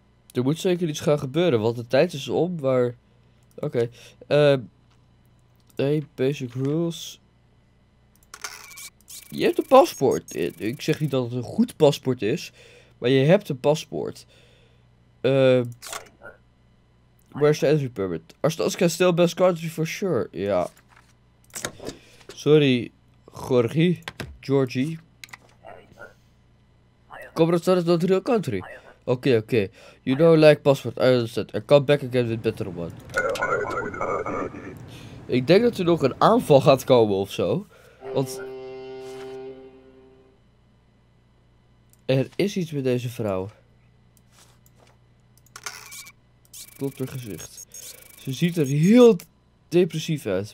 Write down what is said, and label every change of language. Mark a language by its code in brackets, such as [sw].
[nl] Er moet zeker iets gaan gebeuren, want de tijd is om, maar... Oké. [en] Hey, basic rules. [nl] Je hebt een paspoort. Ik zeg niet dat het een goed paspoort is, maar je hebt een paspoort. [en] Where's the entry permit? Arstotzka still best country for sure. Ja. Sorry, Georgie. Kobrastan is not a real country. Oké. You know, like passport. I understand. I come back again with better one. [nl] Ik denk dat er nog een aanval gaat komen ofzo. Want... Er is iets met deze vrouw. Klopt haar gezicht. Ze ziet er heel depressief uit.